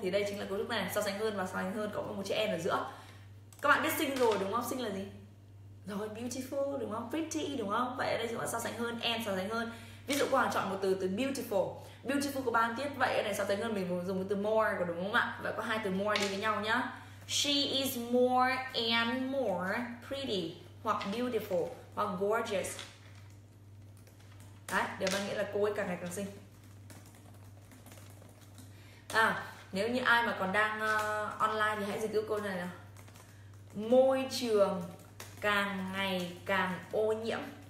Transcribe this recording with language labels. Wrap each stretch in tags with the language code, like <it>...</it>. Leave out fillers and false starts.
<vi>Thì đây chính là cấu trúc này, so sánh hơn và so sánh hơn cộng với một chữ em ở giữa. Các bạn biết xinh rồi đúng không? Xinh là gì? Rồi, beautiful đúng không? Pretty đúng không? Vậy ở đây chúng ta so sánh hơn, and so sánh hơn. Ví dụ cô Hoàng chọn một từ từ beautiful. Beautiful có 3 âm tiết. Vậy ở đây so sánh hơn mình dùng cái từ more có đúng không ạ? Vậy có hai từ more đi với nhau nhá.</vi> <en>She is more and more pretty</en> <vi>hoặc</vi> <en>beautiful hoặc gorgeous.</en> <vi>Đấy, điều mang nghĩa là cô ấy càng ngày càng xinh. À, nếu như ai mà còn đang online thì hãy dịch cứu cô này nào. Môi trường càng ngày càng ô nhiễm.</vi>